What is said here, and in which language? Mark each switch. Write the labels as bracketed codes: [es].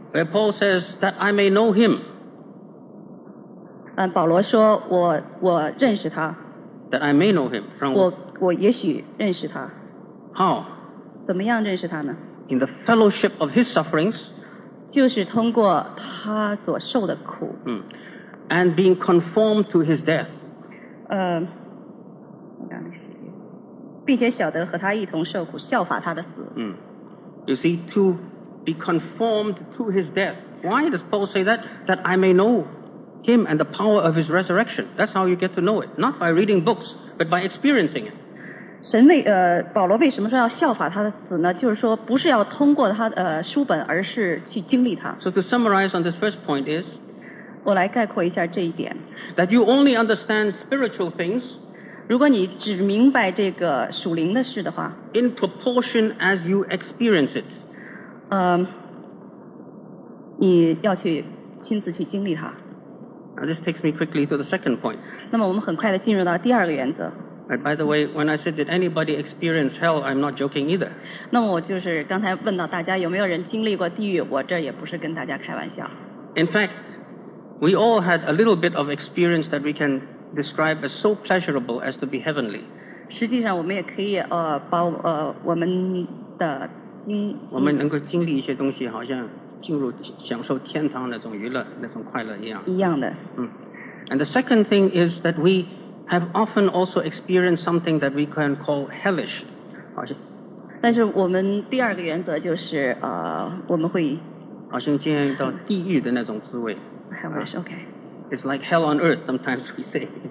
[en] Where Paul says that I may know him. [zh] 保罗说我认识他。 [en] That I may know him. [zh] 我也许认识他。 [en] How? [zh] 怎么样认识他呢？ [en] In the fellowship of his sufferings. [zh] 就是通过他所受的苦。 [en] And being conformed to his death. [zh] 并且晓得和他一同受苦，效法他的死。 [en] You see, to be conformed to his death. Why does Paul say that? That I may know him and the power of his resurrection. That's how you get to know it. Not by reading books, but by experiencing it. [zh] 保罗为什么说要效法他的死呢？就是说不是要通过他的书本，而是去经历他。 [en] So to summarize on this first point is [zh] 我来概括一下这一点。 [en] That you only understand spiritual things [zh] 如果你只明白这个属灵的事的话 [en] In proportion as you experience it [zh] 你要去亲自去经历它。 [en] Now this takes me quickly to the second point [zh] 那么我们很快地进入到第二个原则。 [en] And by the way, when I said did anybody experience hell, I'm not joking either. [zh] 那么我就是刚才问到大家有没有人经历过地狱，我这也不是跟大家开玩笑。 [en] In fact, we all had a little bit of experience that we can describe as so pleasurable as to be heavenly. [zh] 实际上我们也可以把我们的经我们能够经历一些东西，好像进入享受天堂那种娱乐那种快乐一样。一样的。 [en] And the second thing is that we. Have often also experienced something that we can call hellish. [zh] 但是我们第二个原则就是我们会好像经验到地狱的那种滋味。 [en] Hellish, okay. It's like hell on earth, sometimes we say.